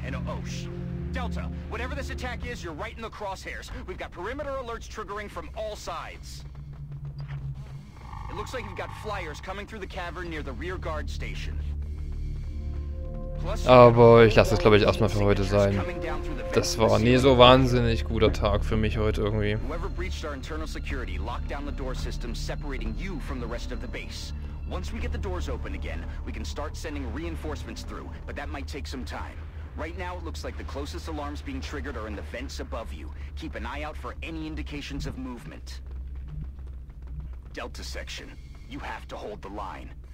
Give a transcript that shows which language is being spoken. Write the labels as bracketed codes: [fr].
[en] And oh, Delta, whatever this attack is, you're right in the crosshairs. We've got perimeter alerts triggering from all sides. It looks like you've got flyers coming through the cavern near the rear guard station. [de] Aber ich lasse es, glaube ich, erstmal für heute sein. Das war nie so wahnsinnig guter Tag für mich heute irgendwie. [en] Whoever breached our internal security, lock down the door system separating you from the rest of the base. Once we get the doors open again, we can start sending reinforcements through, but that might take some time. Right now it looks like the closest alarms being triggered are in the vents above you. Keep an eye out for any indications of movement. Delta Section, you have to hold the line.